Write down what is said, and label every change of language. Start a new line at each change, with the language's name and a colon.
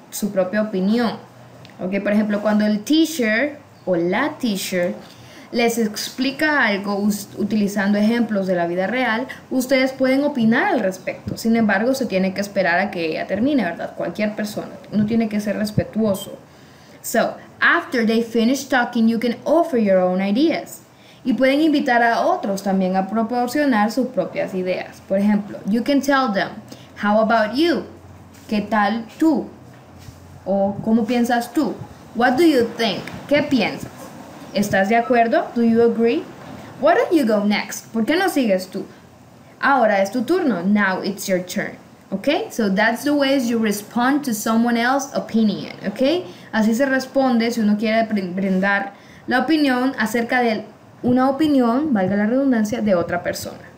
Spanish: Su propia opinión. Okay, por ejemplo, cuando el teacher o la teacher les explica algo utilizando ejemplos de la vida real, ustedes pueden opinar al respecto. Sin embargo, se tiene que esperar a que ella termine, ¿verdad? Cualquier persona. Uno tiene que ser respetuoso.
English: So, after they finish talking, you can offer your own ideas.
Spanish: Y pueden invitar a otros también a proporcionar sus propias ideas. Por ejemplo,
English: you can tell them, how about you?
Spanish: ¿Qué tal tú? O, ¿cómo piensas tú?
English: What do you think?
Spanish: ¿Qué piensas? ¿Estás de acuerdo?
English: Do you agree? Why don't you go next?
Spanish: ¿Por qué no sigues tú? Ahora es tu turno.
English: Now it's your turn. Okay? So that's the way you respond to someone else's opinion. Okay?
Spanish: Así se responde si uno quiere brindar la opinión acerca de una opinión, valga la redundancia, de otra persona.